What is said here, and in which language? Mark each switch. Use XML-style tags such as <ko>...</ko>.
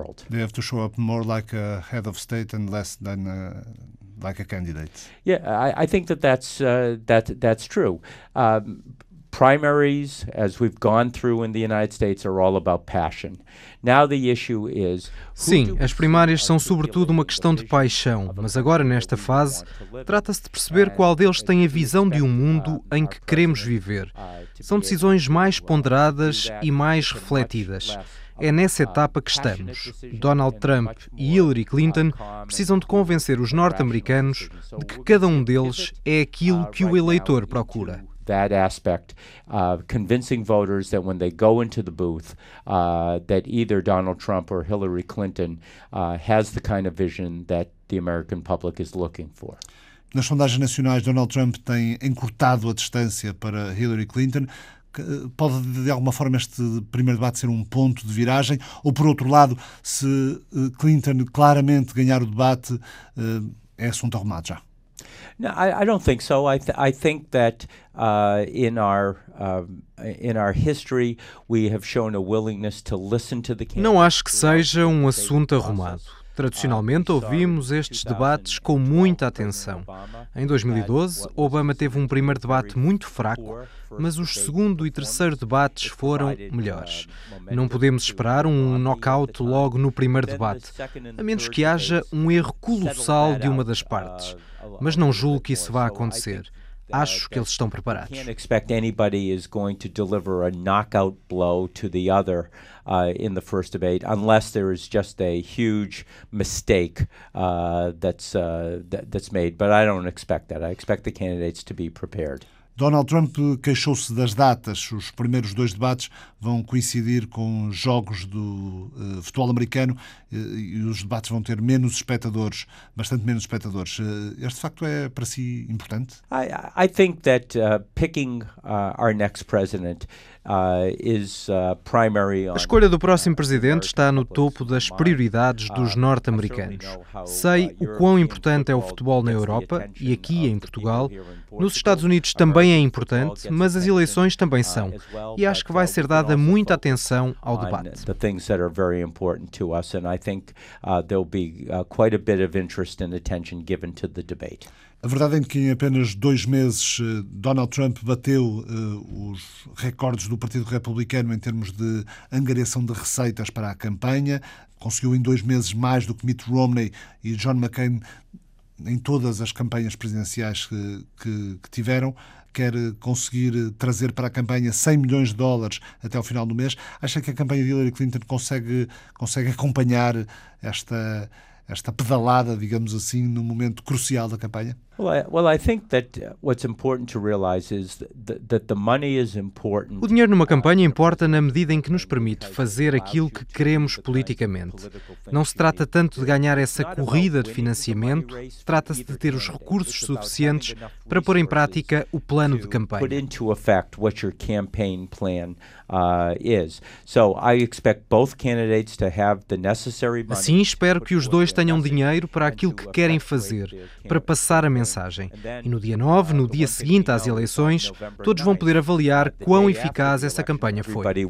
<en>They have to show up more like a head of state and less than like a candidate. Yeah, I think that's true. Primaries, as we've gone through in the United States, are all about passion. Now the issue is.</en> <pt>Sim, as primárias são sobretudo uma questão de paixão, mas agora nesta fase trata-se de perceber qual deles tem a visão de um mundo em que queremos viver. São decisões mais ponderadas e mais refletidas. É nessa etapa que estamos. Donald Trump e Hillary Clinton precisam de convencer os norte-americanos de que cada um deles é aquilo que o eleitor procura. That aspect, convincing voters that when they go into the booth, that either Donald Trump or Hillary Clinton has the kind of vision that the American public is looking for. Nas sondagens nacionais, Donald Trump tem encurtado a distância para Hillary Clinton. Pode, de alguma forma, este primeiro debate ser um ponto de viragem? Ou, por outro lado, se Clinton claramente ganhar o debate, é assunto arrumado já?</pt> <en>No, I don't think so. I think that in our history we have shown a willingness to listen to the candidates.</en> <pt>Não acho que seja um assunto arrumado. Tradicionalmente, ouvimos estes debates com muita atenção. Em 2012, Obama teve um primeiro debate muito fraco, mas os segundo e terceiro debates foram melhores. Não podemos esperar um knockout logo no primeiro debate, a menos que haja um erro colossal de uma das partes. Mas não julgo que isso vá acontecer. Acho que eles estão preparados.</pt> <en>Can't expect anybody is going to deliver a knockout blow to the other in the first debate, unless there is just a huge mistake that's made. But I don't expect that. I expect the candidates to be prepared.</en> <pt>Donald Trump queixou-se das datas. Os primeiros dois debates vão coincidir com jogos do futebol americano e os debates vão ter menos espectadores, bastante menos espectadores. Este facto é para si importante?</pt> <en>I think that picking our next president is primary.</en> <pt>A escolha do próximo presidente está no topo das prioridades dos norte-americanos. Sei o quão importante é o futebol na Europa e aqui em Portugal. Nos Estados Unidos também é importante, mas as eleições também são. E acho que vai ser dada muita atenção ao debate.</pt> <en>The things that are very important to us, and I think there'll be quite a bit of interest and attention given to the debate.</en> <pt>A verdade é que em apenas dois meses Donald Trump bateu os recordes do Partido Republicano em termos de angariação de receitas para a campanha. Conseguiu em dois meses mais do que Mitt Romney e John McCain em todas as campanhas presidenciais que tiveram. Quer conseguir trazer para a campanha 100 milhões de dólares até o final do mês. Acha que a campanha de Hillary Clinton consegue acompanhar esta pedalada, digamos assim, no momento crucial da campanha?</pt> <en>Well, I think that what's important to realize is that the money is important.</en> <pt>O dinheiro numa campanha importa na medida em que nos permite fazer aquilo que queremos politicamente. Não se trata tanto de ganhar essa corrida de financiamento, trata-se de ter os recursos suficientes para pôr em prática o plano de campanha.</pt> <en>Put into effect what your campaign plan is. So I expect both candidates to have the necessary money.</en> <pt>Assim, espero que os dois tenham dinheiro para aquilo que querem fazer, para passar a mensagem. E no dia 9, no dia seguinte às eleições, todos vão poder avaliar quão eficaz essa campanha foi.</pt>